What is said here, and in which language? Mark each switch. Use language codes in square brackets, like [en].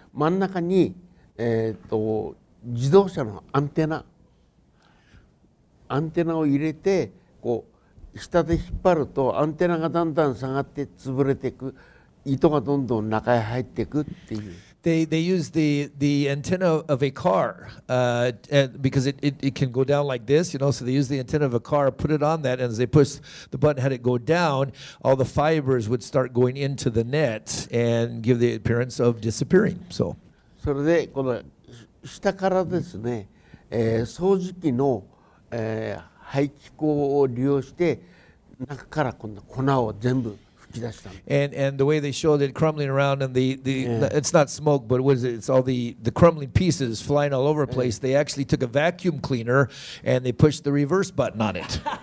[en] In the middle of [ja] 自動車のアンテナを入れてこう下で引っ張るとアンテナがだんだん下がって潰れていく糸がどんどん中へ入っていくっていう。 [en] They use the antenna of a car because it can go down like this, you know. So they use the antenna of a car, put it on that, and as they push the button, had it go down, all the fibers would start going into the net and give the appearance of disappearing. So. [ja] それでこの下からですね、掃除機の、排気口を利用して中からこの粉を全部。 [en] And the way they showed it crumbling around and the yeah. It's not smoke, but what is it? It's all the crumbling pieces flying all over the place. Yeah. They actually took a vacuum cleaner and they pushed the reverse button on it.